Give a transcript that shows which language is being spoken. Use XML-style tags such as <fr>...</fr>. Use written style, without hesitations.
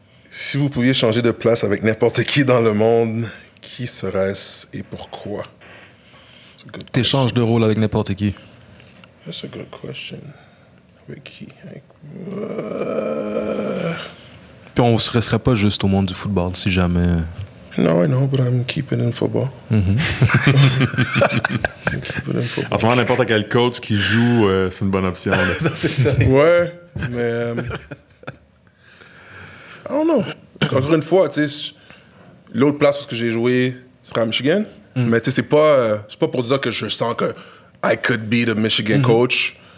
<fr>Si vous pouviez changer de place avec n'importe qui dans le monde, qui serait-ce et pourquoi? T'échanges de rôle avec n'importe qui.</fr> <en>That's a good question. Avec qui?</en> <fr>Puis on ne se resterait pas juste au monde du football, si jamais...</fr> <en>No, I know, but I'm keeping in football.</en> <fr>En ce moment, n'importe quel coach qui joue, c'est une bonne option. Non, c'est ça. Ouais, mais...</fr> <en>I don't know.</en> <fr>Encore une fois, tu sais, l'autre place où j'ai joué sera à Michigan. Mais tu sais, c'est pas pour dire que je sens que I could be the Michigan coach.</fr>